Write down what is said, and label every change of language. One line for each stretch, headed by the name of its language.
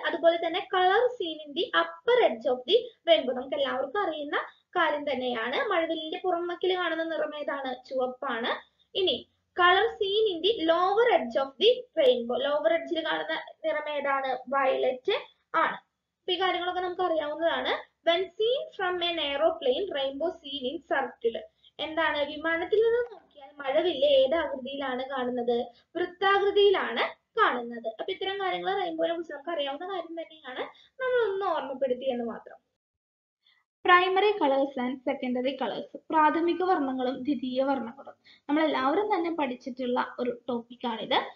Malayalam: അതുപോലെ തന്നെ
English: colour seen in the upper edge of the rainbow,
Malayalam: നമുക്ക് എല്ലാവർക്കും അറിയുന്ന കാര്യം തന്നെയാണ്, മഴവില്ലിന്റെ പുറംവക്കിൽ കാണുന്ന നിറം ഏതാണ്, ചുവപ്പാണ്. ഇനി
English: colour seen in the lower edge of the rainbow,
Malayalam: lower എഡ്ജിൽ കാണുന്ന നിറം ഏതാണ്, വയലറ്റ് ആണ്. അപ്പൊ ഈ കാര്യങ്ങളൊക്കെ നമുക്ക് അറിയാവുന്നതാണ്.
English: When seen from an aeroplane, rainbow seen in circular.
Malayalam: എന്താണ്, വിമാനത്തിൽ നിന്ന് നോക്കിയാൽ മഴവില്ല് ഏത് ആകൃതിയിലാണ് കാണുന്നത്, വൃത്താകൃതിയിലാണ് കാണുന്നത്. അപ്പൊ ഇത്തരം കാര്യങ്ങൾ റെയിൻബോനെ കുറിച്ച് നമുക്ക് അറിയാവുന്ന കാര്യം തന്നെയാണ്, നമ്മൾ ഒന്ന് ഓർമ്മപ്പെടുത്തി എന്ന് മാത്രം.
English: primary colours and secondary colours,
Malayalam: പ്രാഥമിക വർണ്ണങ്ങളും ദ്വിതീയ വർണ്ണങ്ങളും, നമ്മൾ എല്ലാവരും തന്നെ പഠിച്ചിട്ടുള്ള ഒരു ടോപ്പിക് ആണിത്.